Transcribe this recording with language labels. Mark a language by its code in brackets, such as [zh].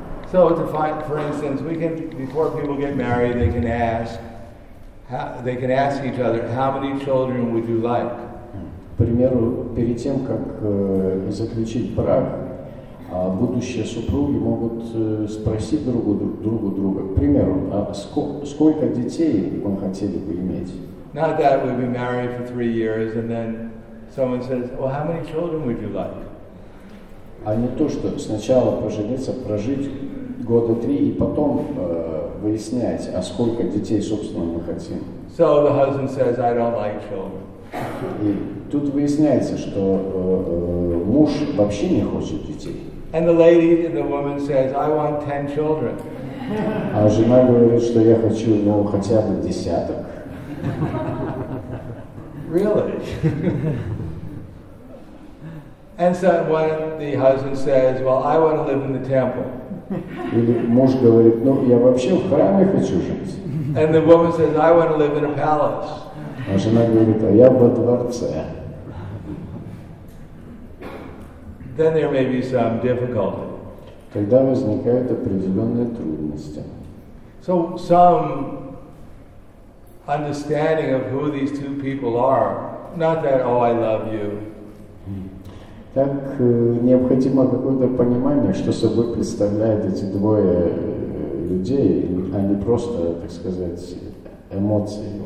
[en] So, to find, for instance, we can, before people get married, they can ask each other, how many children would you like? [ru] К примеру, перед тем, как заключить брак, будущие супруги могут спросить друг друга, к примеру, а сколько детей вы хотели бы иметь? [en] Not that we've been married for 3 years and then someone says, well, how many children would you like? [ru] А не то, что сначала пожениться, прожить года три и потом выяснять, а сколько детей, собственно, мы хотим. [en] So the husband says, I don't like children. [ru] И тут выясняется, что муж вообще не хочет детей. [en] And the woman says, I want 10 children. [ru] А жена говорит, что я хочу, ну, хотя бы десяток. [en] Really? And so when the husband says, well, I want to live in the temple. [ru] Или муж говорит, ну, я вообще в храме хочу жить. [en] And the woman says, I want to live in a palace. [ru] А жена говорит, а я во дворце. [en] Then there may be some difficulty. [ru] Тогда возникают определенные трудности. [en] So some understanding of who these two people are, not that, oh, I love you. [ru] Так необходимо какое-то понимание, что собой представляют эти двое людей, а не просто, так сказать, эмоции.